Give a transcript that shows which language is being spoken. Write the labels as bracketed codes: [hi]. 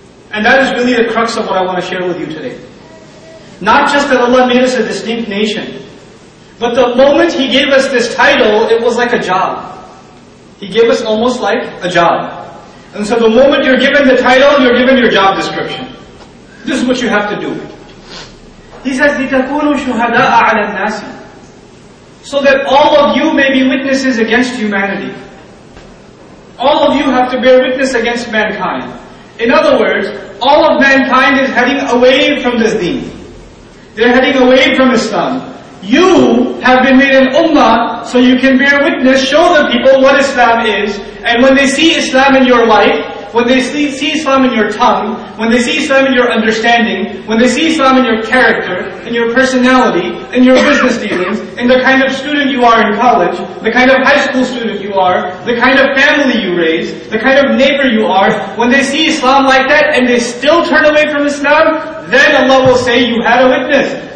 [en] And that is really the crux of what I want to share with you today. Not just that Allah made us a distinct nation, but the moment He gave us this title, it was like a job. He gave us almost like a job. And so the moment you're given the title, you're given your job description. This is what you have to do. He says, [ar] لِتَكُونُوا شُهَدَاءَ عَلَى النَّاسِ. [en] So that all of you may be witnesses against humanity. All of you have to bear witness against mankind. In other words, all of mankind is heading away from this deen. They're heading away from Islam. You have been made an ummah so you can bear witness, show the people what Islam is, and when they see Islam in your life, when they see Islam in your tongue, when they see Islam in your understanding, when they see Islam in your character, in your personality, in your business dealings, in the kind of student you are in college, the kind of high school student you are, the kind of family you raise, the kind of neighbor you are, when they see Islam like that and they still turn away from Islam, then Allah will say you had a witness.